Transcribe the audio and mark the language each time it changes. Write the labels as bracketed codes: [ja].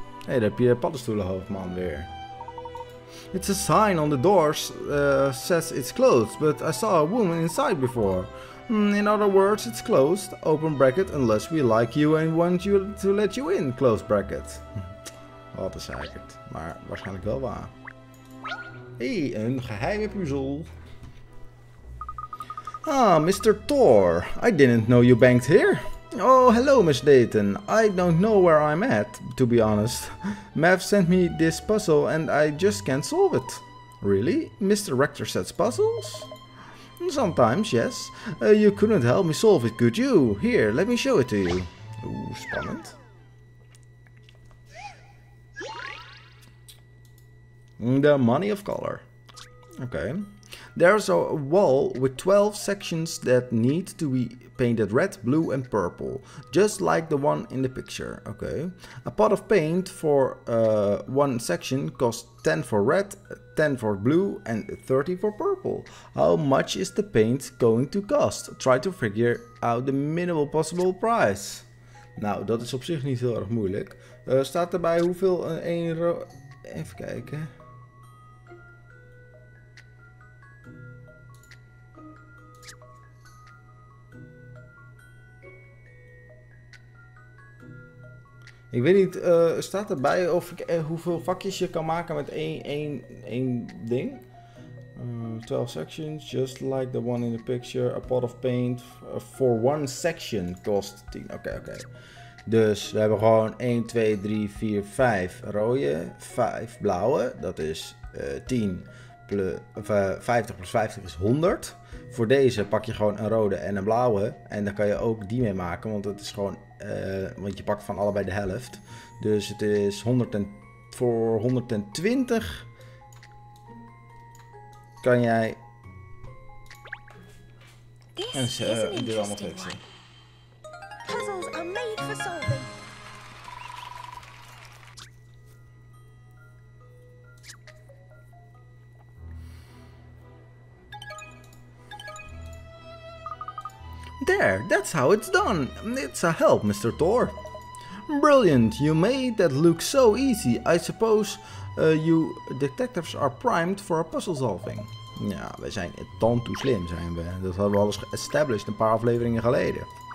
[nl] Hey, daar heb je paddenstoelenhoofdman weer. [en] It's a sign on the door says it's closed, but I saw a woman inside before. In other words, it's closed. Open bracket, unless we like you and want you to let you in. Close bracket. [nl] Wat een zeikert, maar waarschijnlijk wel waar. Hé, hey, een geheime puzzel. [en] Ah, Mr. Thor, I didn't know you banked here. Oh, hello, Miss Layton. I don't know where I'm at, to be honest. Mav sent me this puzzle and I just can't solve it. Really? Mr. Rector sets puzzles? Sometimes, yes. You couldn't help me solve it, could you? Here, let me show it to you. Ooh, spannend. The money of color. Okay. There's a wall with 12 sections that need to be painted red, blue and purple, just like the one in the picture. Okay. A pot of paint for one section costs 10 for red, 10 for blue and 30 for purple. How much is the paint going to cost? Try to figure out the minimal possible price. [nl] Nou, dat is op zich niet heel erg moeilijk. Staat erbij hoeveel een rode... Even kijken. Ik weet niet, staat erbij of ik hoeveel vakjes je kan maken met één ding? [en] 12 sections, just like the one in the picture. A pot of paint for one section cost 10. Oké. [nl] Dus we hebben gewoon 1, 2, 3, 4, 5 rode, 5 blauwe. Dat is 10. 50 plus 50 is 100. Voor deze pak je gewoon een rode en een blauwe. En dan kan je ook die mee maken, want het is gewoon. Want je pakt van allebei de helft. Dus het is 100 en, voor 120 kan jij. En ze doen allemaal fixen. [en] Puzzles are made for solving. There, that's how it's done. It's a help, Mr. Thor. Brilliant, you made that look so easy. I suppose you detectives are primed for a puzzle solving. [nl] Ja, we zijn dan te slim, zijn we. Dat hadden we al eens geëstablished een paar afleveringen geleden.